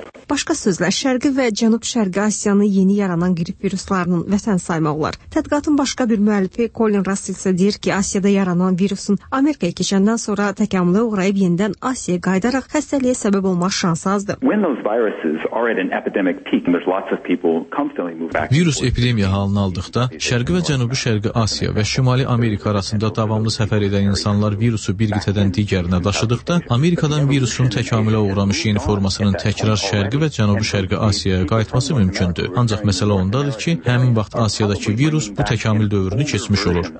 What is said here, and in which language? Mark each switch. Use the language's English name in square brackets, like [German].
[Azerbaijani] Başqa sözlə, Şərqi və Cənub Şərqi Asiyanı yeni yaranan qrip viruslarının vətən saymaq olar. Tədqiqatın başqa bir müəllifi Colin Russell isə deyir ki, Asiyada yaranan virusun Amerikaya keçəndən sonra təkamülə uğrayıb yenidən Asiyaya qayıdaraq xəstəliyə səbəb olmaq şansı azdır. [English] When those viruses are at an epidemic peak, there's lots of people comfortably move back. [Azerbaijani] Virus epidemiya halını aldıqda, Şərqi və Cənubi Şərqi Asiya və Şimali Amerika arasında davamlı səfər edən insanlar virusu bir qitədən digərinə daşıdıqda, Amerikadan virusun təkamülə uğramış yeni formasının təkrar Şərqi və Cənubi Şərqi Asiyaya qayıtması mümkündür. Ancaq məsələ ondadır ki, həmin vaxt Asiyadakı virus bu təkamül dövrünü keçmiş olur.